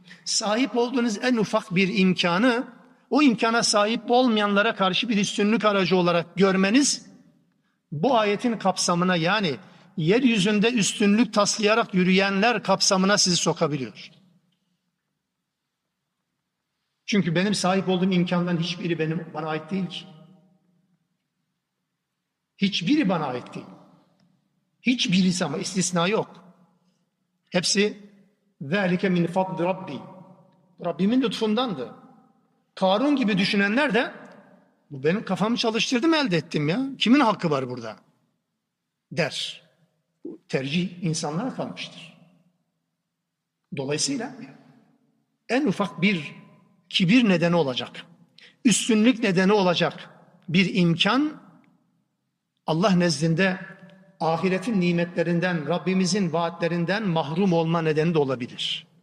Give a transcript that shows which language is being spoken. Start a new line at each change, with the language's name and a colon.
Turkish: Sahip olduğunuz en ufak bir imkanı o imkana sahip olmayanlara karşı bir üstünlük aracı olarak görmeniz bu ayetin kapsamına, yani yeryüzünde üstünlük taslayarak yürüyenler kapsamına sizi sokabiliyor. Çünkü benim sahip olduğum imkanların hiçbiri bana ait değil ki. Hiçbiri bana ait değil. Hiçbirisi ama istisna yok. Hepsi
Arabic: ذَٰلِكَ مِنْ فَضْلِ رَبِّي
Turkish: Rabbimin lütfundandı. Karun gibi düşünenler de bu benim kafamı çalıştırdım elde ettim ya. Kimin hakkı var burada? Der. Bu tercih insanlara kalmıştır. Dolayısıyla en ufak bir kibir nedeni olacak, üstünlük nedeni olacak bir imkan Allah nezdinde ahiretin nimetlerinden, Rabbimizin vaatlerinden mahrum olma nedeni de olabilir.